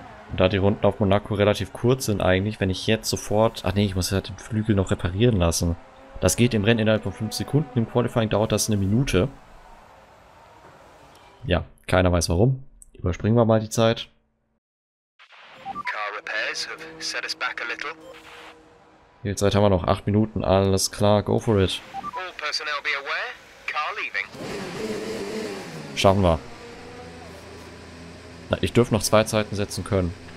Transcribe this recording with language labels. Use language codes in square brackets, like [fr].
[de] Und da die Runden auf Monaco relativ kurz sind eigentlich, wenn ich jetzt sofort... Ach nee, ich muss ja den Flügel noch reparieren lassen. Das geht im Rennen innerhalb von 5 Sekunden. Im Qualifying dauert das eine Minute. Ja, keiner weiß warum. Überspringen wir mal die Zeit. [en] Car repairs have set us back a little. [de] Wie viel Zeit haben wir noch? 8 Minuten, alles klar, [en] go for it. All personnel be aware. Car leaving. [de] Schaffen wir. Na, ich dürfte noch 2 Zeiten setzen können.